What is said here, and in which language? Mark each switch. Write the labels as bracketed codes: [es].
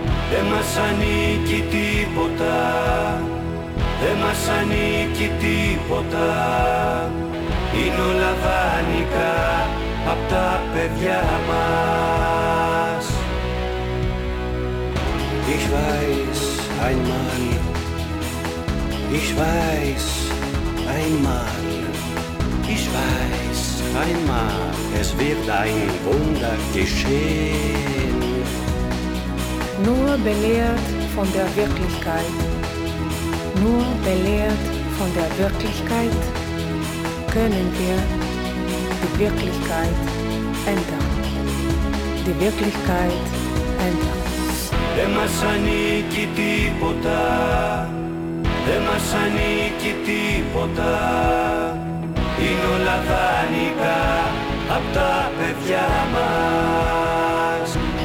[el] Δεν μας ανήκει τίποτα, δεν μας ανήκει τίποτα. Είναι όλα δάνεικα απ' τα παιδιά μας. [de] Ich weiß einmal, ich weiß einmal, ich weiß einmal, es wird ein Wunder geschehen. Nur belehrt von der Wirklichkeit, nur belehrt von der Wirklichkeit, können wir die Wirklichkeit ändern. Die Wirklichkeit ändern. [el] Δεν μας ανήκει τίποτα, δεν μας ανήκει τίποτα. Είναι όλα δάνεικα απ' τα παιδιά μας.